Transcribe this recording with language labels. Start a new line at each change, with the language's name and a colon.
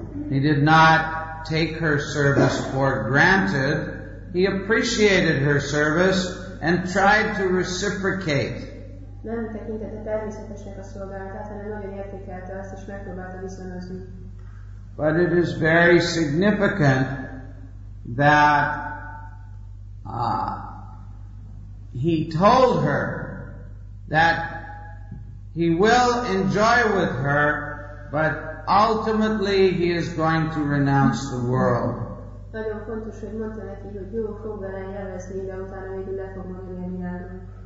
English: He did not take her service for granted. He appreciated her service and tried to reciprocate.
Hungarian: Nem tekintette természetesnek a szolgálatát, hanem nagyon értékelte azt, és megpróbálta viszonozni.
English: But it is very significant that he told her that he will enjoy with her, but ultimately he is going to renounce the world.
Hungarian: Nagyon fontos, hogy mondta neki, hogy jól fog vele élvezni, de utána végül le fog magadni a világon.